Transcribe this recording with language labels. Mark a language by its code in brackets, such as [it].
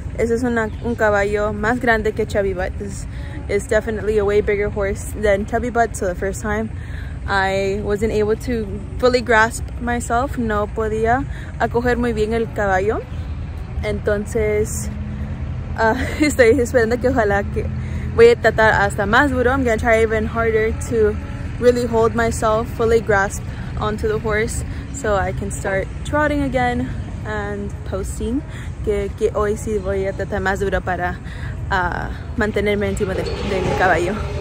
[es] Este es un caballo más grande que Chubby Butt. [en] This is definitely a way bigger horse than Chubby Butt. So the first time I wasn't able to fully grasp myself. [es] No podía acoger muy bien el caballo. Entonces, estoy esperando que ojalá que voy a tratar hasta más duro. [en] I'm gonna try even harder to really hold myself, fully grasp onto the horse so I can start trotting again and posting. [es] Que hoy sí voy a tratar más duro para mantenerme encima del caballo.